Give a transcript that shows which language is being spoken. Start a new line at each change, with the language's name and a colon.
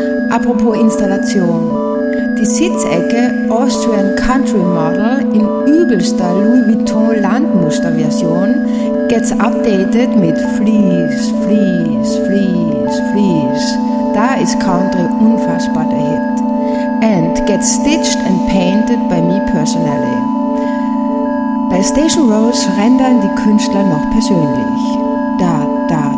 German: Apropos Installation. Die Sitzecke Austrian Country Model in übelster Louis Vuitton Landmuster-Version
English: gets updated
German: mit Fleece, Fleece, Fleece, Fleece. Da ist Country unfassbar der Hit.
English: And gets stitched and painted by me personally.
German: Bei Station Rose rendern die Künstler noch persönlich.